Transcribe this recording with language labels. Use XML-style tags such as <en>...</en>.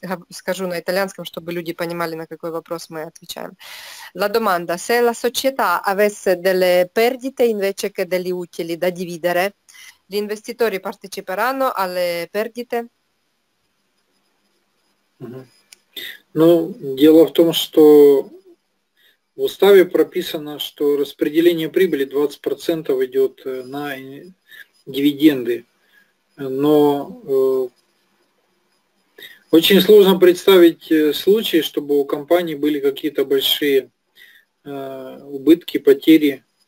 <ru>Скажу на итальянском, чтобы люди понимали, на какой вопрос мы отвечаем.</ru> <it>La domanda: se la società avesse delle perdite invece che degli utili da dividere, gli investitori parteciperanno alle perdite?</it> <ru>Ну, дело в том, что в уставе прописано, что распределение прибыли 20% идет на дивиденды. Но очень сложно представить случай, чтобы у компании были какие-то большие убытки, потери.</ru>